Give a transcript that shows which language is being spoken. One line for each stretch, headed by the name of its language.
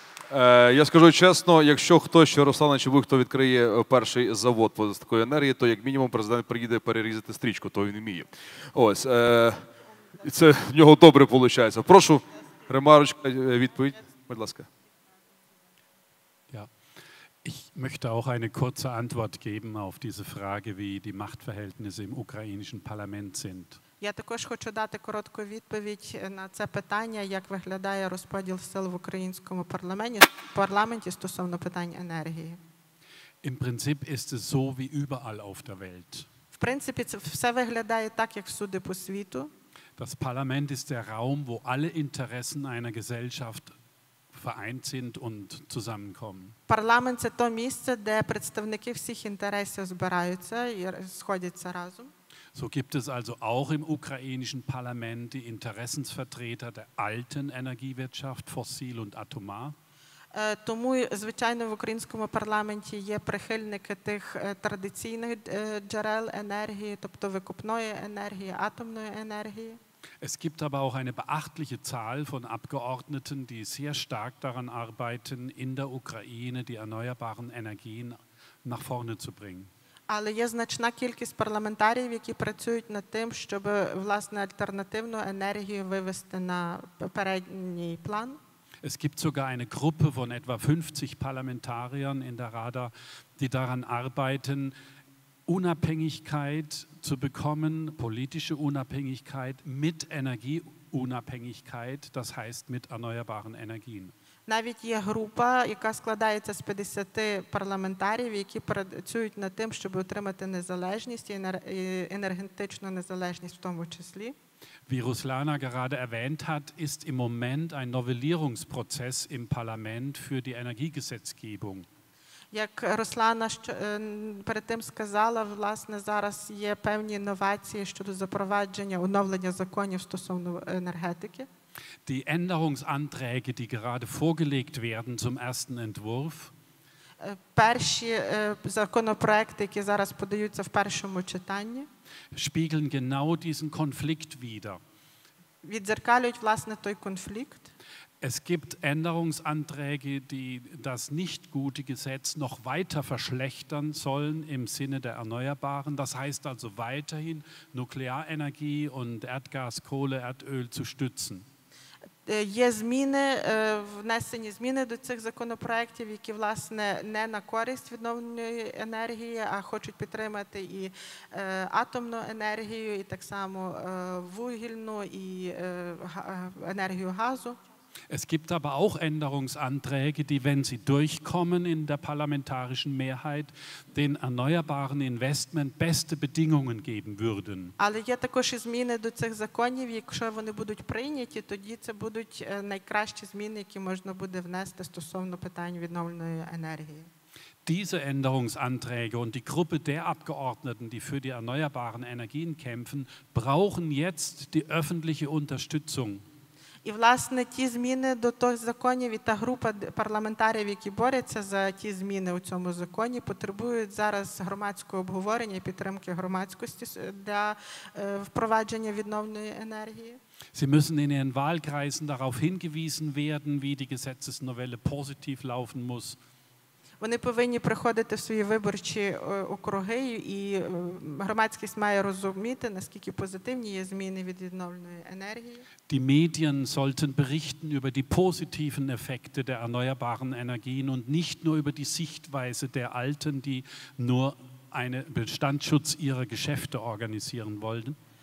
Ukrainian: Я скажу чесно, якщо хтось, що Руслана Чебух, хто відкриє перший завод з такої енергії, то як мінімум президент приїде перерізати стрічку, то він вміє. Ось, це в нього добре виходить. Прошу, ремарочка, відповідь, будь ласка.
German: Ich möchte auch eine kurze Antwort geben auf diese Frage, wie die Machtverhältnisse im ukrainischen Parlament sind.
Ukrainian: Я також хочу дати коротку відповідь на це питання, як виглядає розподіл сил в українському парламенті стосовно питань енергії.
German: Im Prinzip ist es so wie überall auf der Welt.
Ukrainian: В принципі, це все виглядає так, як всюди по світу.
German: Das Parlament ist der Raum, wo alle Interessen einer Gesellschaft vereint sind und zusammenkommen.
Ukrainian: Парламент – це то місце, де представники всіх інтересів збираються і сходяться разом.
German: So gibt es also auch im ukrainischen Parlament die Interessensvertreter der alten Energiewirtschaft, fossil und atomar.
Ukrainian: Тому, звичайно, в українському парламенті є прихильники тих традиційних джерел енергії, тобто викупної енергії, атомної енергії.
German: Es gibt aber auch eine beachtliche Zahl von Abgeordneten, die sehr stark daran arbeiten, in der Ukraine die erneuerbaren Energien nach vorne zu bringen.
Ukrainian: Але є значна кількість парламентарів, які працюють над тим, щоб власне альтернативну енергію вивести на передній план.
German: Es gibt sogar eine Gruppe von etwa 50 Parlamentariern in der Rada, die daran arbeiten, Unabhängigkeit zu bekommen, politische Unabhängigkeit mit Energieunabhängigkeit, das heißt mit erneuerbaren Energien.
Ukrainian: Навіть є група, яка складається з 50 парламентарів, які працюють над тим, щоб отримати незалежність і енергетичну незалежність в тому числі.
German: Wie Ruslana gerade erwähnt hat, ist im Moment ein Novellierungsprozess im Parlament für die Energiegesetzgebung.
Ukrainian: Як Руслана перед тим сказала, власне, зараз є певні новації щодо запровадження, оновлення законів стосовно енергетики.
German: Die Änderungsanträge, die gerade vorgelegt werden zum ersten Entwurf,
Ukrainian: перші законопроекти, які зараз подаються в першому читанні,
German: spiegeln genau diesen Konflikt wider.
Ukrainian: Відзеркалюють, власне, той конфлікт.
German: Es gibt Änderungsanträge, die das nicht gute Gesetz noch weiter verschlechtern sollen im Sinne der Erneuerbaren. Das heißt also weiterhin Nuklearenergie und Erdgas, Kohle, Erdöl zu stützen.
Ukrainian: Є зміни, внесені зміни до цих законопроєктів, які, власне, не на користь відновленої енергії, а хочуть підтримати і атомну енергію, і так само вугільну, і енергію газу.
German: Es gibt aber auch Änderungsanträge, die, wenn sie durchkommen in der parlamentarischen Mehrheit, den erneuerbaren Investment beste Bedingungen geben würden.
Ukrainian: Але є також зміни до цих законів, якщо вони будуть прийняті, тоді це будуть найкращі зміни, які можна буде внести стосовно питань відновленої енергії.
German: Diese Änderungsanträge und die Gruppe der Abgeordneten, die für die erneuerbaren Energien kämpfen, brauchen jetzt die öffentliche Unterstützung.
Ukrainian: І, власне, ті зміни до тих законів і та група парламентарів, які борються за ті зміни у цьому законі, потребують зараз громадського обговорення і підтримки громадськості для впровадження відновленої енергії.
German: Sie müssen in ihren Wahlkreisen darauf hingewiesen werden, wie die Gesetzesnovelle positiv laufen muss.
Ukrainian: Вони повинні приходити в свої виборчі округи, і громадськість має розуміти, наскільки позитивні є зміни від відновленої енергії.
German: Die Medien sollten berichten über die positiven Effekte der erneuerbaren Energien und nicht nur über die Sichtweise der Alten, die nur einen Bestandsschutz ihrer Geschäfte organisieren wollen.